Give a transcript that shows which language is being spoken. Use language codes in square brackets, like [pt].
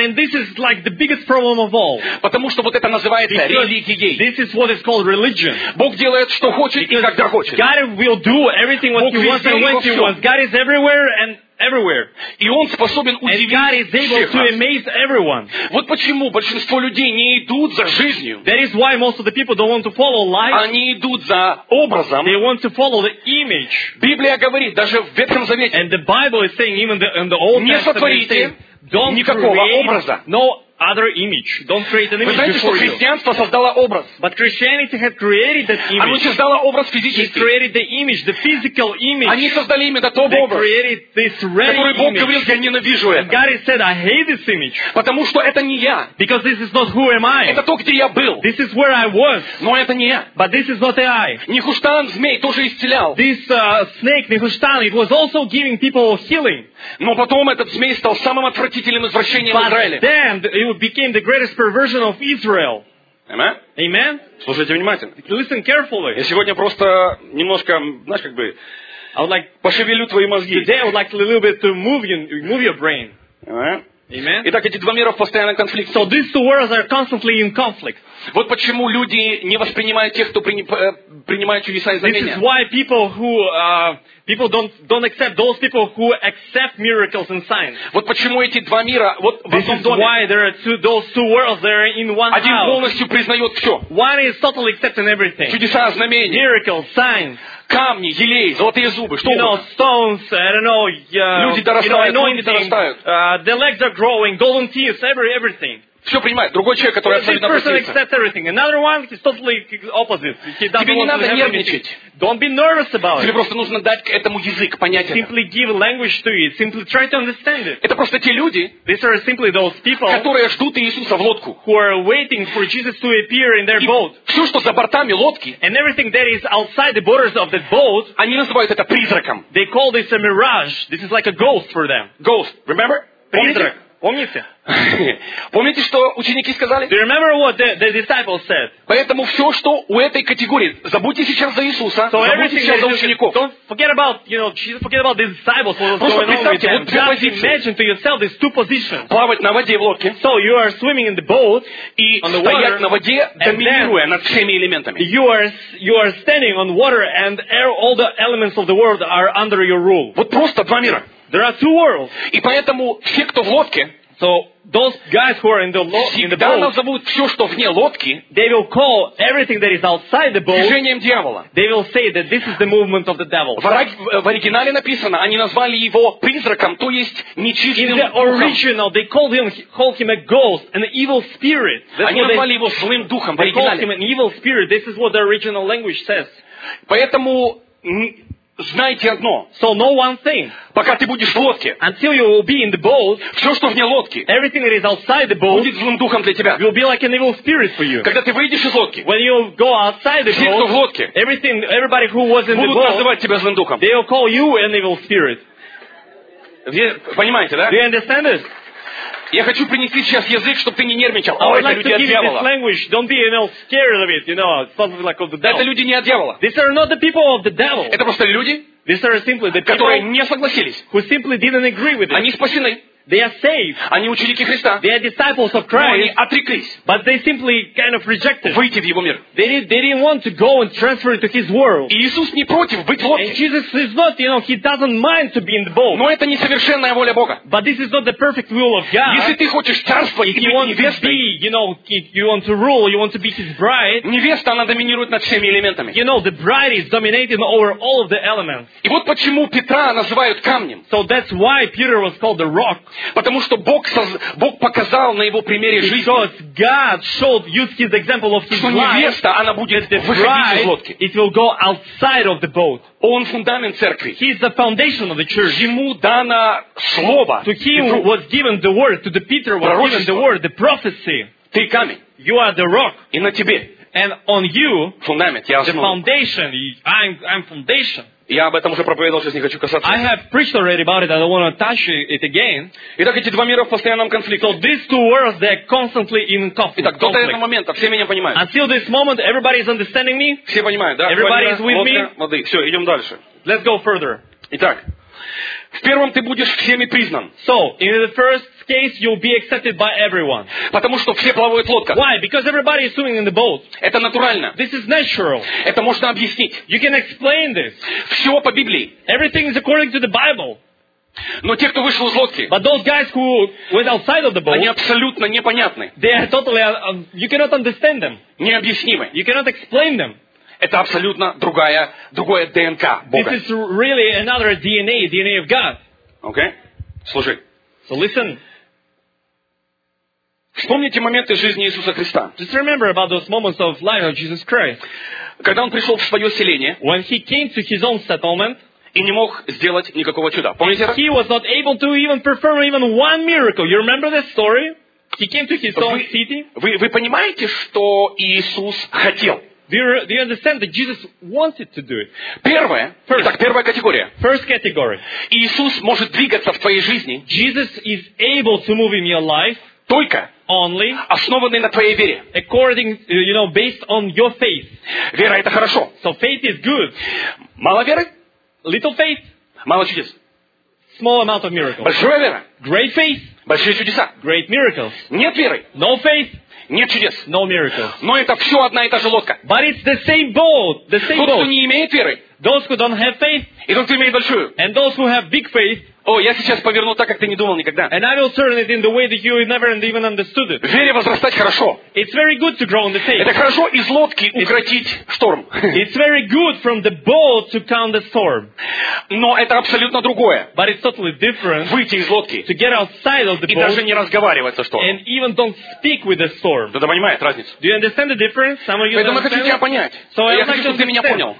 [en] And this is like the biggest problem of all. [ru] Потому что вот это называется [en] because [ru] религией. [en] This is what is called religion. [ru] Бог делает, что хочет [en] because [ru] и когда хочет. [en] God will do everything what [ru] Бог [en] he wants and when he wants. God is everywhere and everywhere. [ru] И он способен удивить всех. [en] And God is able to amaze everyone. [ru] Вот почему большинство людей не идут за жизнью. [en] That is why most of the people don't want to follow life. [ru] Они идут за образом. [en] They want to follow the image. [ru] Библия говорит, даже в Ветхом Завете. [en] And the Bible is saying even in the Old Testament. [ru] Не сотворите никакого образа. [en] No other image. Don't create an image. [ru] Вы знаете, что христианство создало образ. [en] But Christianity had created that image. [ru] Оно создало образ физический. [en] It created the image, the physical image. [ru] Они создали именно тот образ. [en] They created this ready image. [ru] Который Бог говорил, я ненавижу это. [en] And God said, I hate this image. [ru] Потому что это не я. [en] Because this is not who am I. [ru] Это то, где я был. [en] This is where I was. [ru] Но это не я. [en] But this is not I. [ru] Нехуштан змей тоже исцелял. [en] This snake, Нехуштан, it was also giving people healing. [ru] Но потом этот змей стал самым отвратительным извращением Израиля. [en] But then it became the greatest perversion of Israel. Amen? Amen? [ru] Слушайте внимательно. [en] Listen carefully. [ru] Я сегодня просто немножко, знаешь, как бы пошевелю твои мозги. [en] Today I would like a little bit to move your brain. Amen? [ru] Итак, эти два мира в постоянном конфликте. [en] So these two worlds are constantly in conflict. [ru] Вот почему люди не воспринимают тех, кто принимает чудеса и знамения. [en] This is why people don't accept those people who accept miracles and signs. [ru] Вот почему эти два мира вот в одном доме. [en] This is why there are those two worlds that are in one house. [ru] Один полностью признает все. [en] One is totally accepting everything. [ru] Чудеса, знамения. [en] Miracles, signs. [ru] Камни, елей, золотые зубы, что угодно. [en] Stones, I don't know. [ru] Люди дорастают, ноги дорастают. [en] The legs are growing, golden teeth, everything. [ru] Все принимает. Другой человек, который [en] this [ru] абсолютно [en] person accepts everything. Another one is totally opposite. He doesn't [ru] Тебе не [en] want [ru] надо [en] to [ru] нервничать. [en] Don't be nervous about [ru] Тебе [en] it. [ru] Просто нужно дать этому язык, понять [en] simply [ru] это. [en] Give language to it. Simply try to understand it. [ru] Это просто те люди, [en] these are simply those people, [ru] которые ждут Иисуса в лодку. [en] Who are waiting for Jesus to appear in their [ru] и [en] boat. [ru] Все, что за бортами лодки, [en] and everything that is outside the borders of that boat, [ru] они называют это призраком. [en] They call this a mirage. This is like a ghost for them. Ghost, remember? [ru] Призрак. Помните? Помните, что ученики сказали? [en] Do you remember what the disciples said? [ru] Поэтому все, что у этой категории, забудьте сейчас за Иисуса, [en] so [ru] забудьте сейчас за учеников. [en] Don't forget about, you know, Jesus, forget about the disciples. [ru] Просто представьте, вот две позиции. [en] Just imagine to yourself these two positions. [ru] Плавать на воде в лодке. [en] So you are swimming in the boat. [ru] И стоять на воде, доминируя над всеми элементами. [en] You are standing on water and all the elements of the world are under your rule. [ru] Вот просто два мира. [en] There are two worlds. [ru] И поэтому все, кто в лодке, [en] so those guys who are in the boat, [ru] всегда назовут все, что вне лодки, [en] they will call everything that is outside the boat, [ru] движением дьявола. [en] They will say that this is the movement of the devil. [ru] В оригинале написано, они назвали его призраком, то есть нечистым духом. [en] In the original, they called him a ghost, an evil spirit. [ru] Они назвали его злым духом в оригинале. [en] They called him an evil spirit. This is what the original language says. [ru] Поэтому знайте одно. [en] So know one thing. [ru] Пока ты будешь в лодке, [en] until you will be in the boat, [ru] все, что вне лодки, [en] everything that is outside the boat, [ru] будет злым духом для тебя. [en] Will be like an evil spirit for you. [ru] Когда ты выйдешь из лодки, [en] when you go outside the boat, [ru] все, кто в лодке, [en] everything, everybody who was in the boat, [ru] будут называть тебя злым духом. [en] They will call you an evil spirit. [ru] Понимаете, да? [en] Do you understand this? [ru] Я хочу принести сейчас язык, чтобы ты не нервничал. [en] I would like [ru] это люди [en] to give you this language. Don't be, you know, scared of it. You know, something like of the devil. [ru] Это люди не от дьявола. [en] These are not the people of the devil. [ru] Это просто люди, [en] these are simply the people, [ru] которые не согласились. [en] Who simply didn't agree with it. [ru] Они спасены. [en] They are saved. [ru] Они ученики Христа. [en] They are disciples of Christ. [ru] Но они отреклись. [en] But they simply kind of rejected. [ru] Выйти в его мир. [en] They didn't want to go and transfer it to his world. [ru] И Иисус не против быть в лодке. [en] And Jesus is not, you know, he doesn't mind to be in the boat. [ru] Но это не совершенная воля Бога. [en] But this is not the perfect will of God. [ru] Если ты хочешь царство и быть невестой, [en] you want to rule, you want to be his bride. [ru] Невеста она доминирует над всеми элементами. [en] You know, the bride is dominating over all of the elements. [ru] И вот почему Петра называют камнем. [en] So that's why Peter was called the rock. [ru] Потому что Бог показал на его примере жизни, что невеста, она будет выходить из лодки. Он фундамент церкви. [en] He is the foundation of the church. [ru] Ему дано слово. [en] To him was given the word. To the Peter was given the word, the prophecy. [ru] Ты камень. [en] You are the rock. [ru] И на тебе. [en] And on you, [ru] фундамент, я основа. [en] The foundation, I'm foundation. [ru] Я об этом уже проповедовал, сейчас не хочу касаться. [en] I have preached already about it. I don't want to touch it again. [ru] Итак, эти два мира в постоянном конфликте. [en] So these two worlds, they're constantly in conflict. [ru] Итак, до этого момента все меня понимают. [en] Until this moment, everybody is understanding me. [ru] Все понимают, да? [en] Everybody is with me. [ru] Воды. Все, идем дальше. [en] Let's go further. [ru] Итак, в первом ты будешь всеми признан. [en] So in the first case, you'll be accepted by everyone. [ru] Потому что все плавают в лодках. [en] Why? Because everybody is swimming in the boat. [ru] Это натурально. [en] This is natural. [ru] Это можно объяснить. [en] You can explain this. [ru] Все по Библии. [en] Everything is according to the Bible. [ru] Но те, кто вышел из лодки, [en] but those guys who went outside of the boat, [ru] они абсолютно непонятны. [en] They are totally, you cannot understand them. [ru] Необъяснимы. [en] You cannot explain them. [ru] Это абсолютно другое ДНК Бога. [en] This is really another DNA of God. Okay? [ru] Слушай. [en] So listen. [ru] Вспомните моменты жизни Иисуса Христа. [en] Just remember about those moments of life of Jesus Christ. [ru] Когда он пришел в свое селение, [en] when he came to his own settlement, [ru] и не мог сделать никакого чуда. Помните? [en] He was not able to even perform even one miracle. You remember that story? He came to his own city. [ru] Вы понимаете, что Иисус хотел? [en] Do you understand that Jesus wanted to do it? [ru] Первое. [en] First. [ru] Итак, первая категория. [en] First category. [ru] Иисус может двигаться в твоей жизни. [en] Jesus is able to move in your life. [ru] Только. [en] Only. [ru] Основанный на твоей вере. [en] According, you know, based on your faith. [ru] Вера это хорошо. [en] So faith is good. [ru] Мало веры? [en] Little faith. [ru] Мало чудес. [en] Small amount of miracles. [ru] Большая вера? [en] Great faith. [ru] большие чудеса. [en] Great miracles. [ru] Нет веры. [en] No faith. [ru] Нет чудес. [en] No miracles. [ru] Но это все одна и та же лодка. [en] But it's the same boat. The same boat. [ru] Тот, кто не имеет веры. [en] Those who don't have faith. [ru] И тот, кто имеет большую. [en] And those who have big faith. [ru] О, я сейчас поверну так, как ты не думал никогда. [en] And I will turn it in the way that you never even understood it. [ru] Вере возрастать хорошо. [en] It's very good to grow in the faith. [ru] Это хорошо из лодки укротить шторм. [en] It's very good from the boat to calm the storm. [ru] Но это абсолютно другое. [en] But it's totally different. [ru] Выйти из лодки. [en] To get outside of the boat. [ru] И даже не разговаривать со штормом. [en] And even don't speak with the storm. [ru] Кто-то понимает разницу? [en] Do you understand the difference? Some of you [ru] Поэтому я хочу тебя понять. [en] So [ru] я хочу, чтобы ты меня понял.